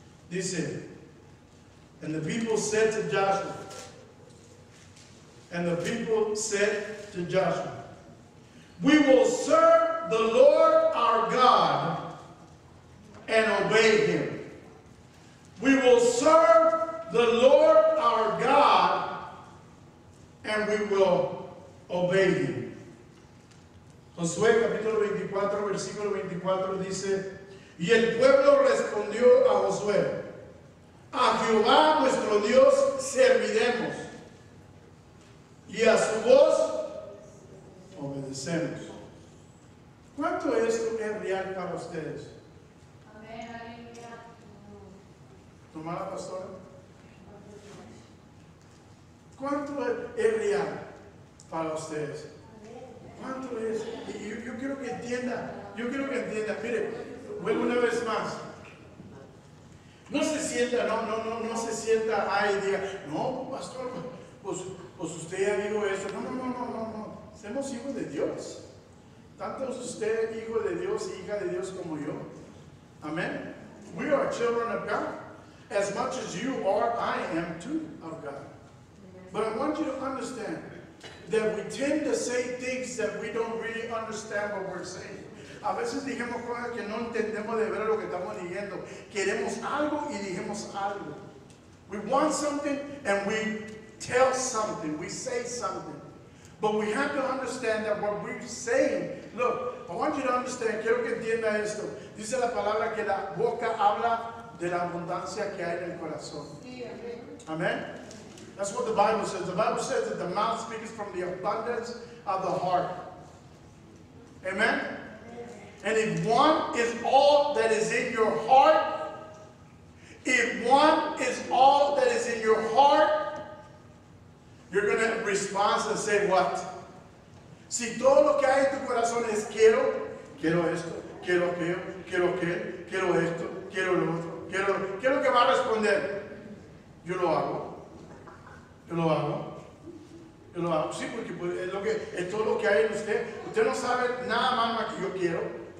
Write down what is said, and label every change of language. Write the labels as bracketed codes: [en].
[es] Dice, [en] and the people said to Joshua, we will serve the Lord our God and obey him. We will serve the Lord our God and we will obey him. [es] Josué capítulo 24, versículo 24 dice, y el pueblo respondió a Josué, a Jehová nuestro Dios serviremos, y a su voz obedecemos. ¿Cuánto esto es real para ustedes? Amén, aleluya. ¿Tomara, pastor? ¿Cuánto es real para ustedes? ¿Cuánto es? Yo quiero que entienda. Mire, vuelvo una vez más. No se sienta ahí y diga, no, pastor, pues usted ya dijo eso. No. Somos hijos de Dios. Tanto es usted hijo de Dios, hija de Dios como yo. [en] Amén. We are children of God. As much as you are, I am too of God. But I want you to understand that we tend to say things that we don't really understand what we're saying. [es] A veces dijimos cosas que no entendemos de ver lo que estamos diciendo. Queremos algo y dijimos algo. [en] We want something and we tell something. We say something. But we have to understand that what we're saying. Look, I want you to understand. [es] Quiero que entienda esto. Dice la palabra que la boca habla de la abundancia que hay en el corazón. [en] Amén. That's what the Bible says. The Bible says that the mouth speaks from the abundance of the heart. Amen? And if one is all that is in your heart, you're going to respond and say what? [es] Si todo lo que hay en tu corazón es quiero, quiero esto, quiero aquello, quiero aquel, quiero esto, quiero lo otro, quiero lo otro. ¿Qué es lo que va a responder? Yo lo hago. Yo lo hago. Sí, porque es todo lo que hay en usted. Usted no sabe nada más que yo quiero.